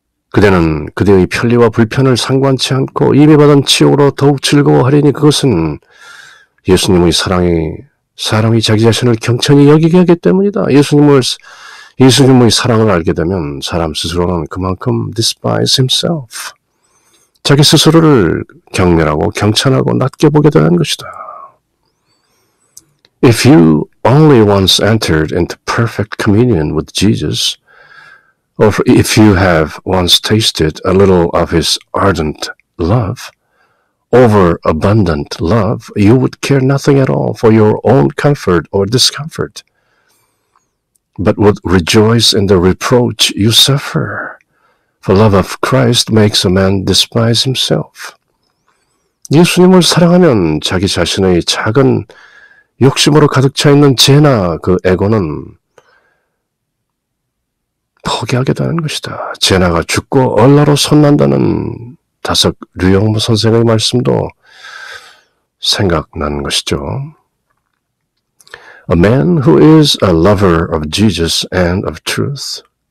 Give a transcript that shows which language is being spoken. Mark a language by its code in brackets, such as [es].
[ko] 그대는 그대의 편리와 불편을 상관치 않고 이미 받은 치유로 더욱 즐거워하리니 그것은 예수님의 사랑이 사람이 자기 자신을 경천히 여기게 하기 때문이다. 예수님의 사랑을 알게 되면 사람 스스로는 그만큼 [en] despise himself. [ko] 자기 스스로를 경멸하고 경천하고 낮게 보게 되는 것이다. [en] If you only once entered into perfect communion with Jesus, or if you have once tasted a little of his ardent love, overabundant love, you would care nothing at all for your own comfort or discomfort, but would rejoice in the reproach you suffer. For love of Christ makes a man despise himself. [ko] 예수님을 사랑하면 자기 자신의 작은 욕심으로 가득 차 있는 죄나 그 에고는 포기하게 되는 것이다. 죄나가 죽고 얼라로 손난다는 다섯 류영무 선생의 말씀도 생각난 것이죠. [en] A man who is a lover of Jesus and of truth.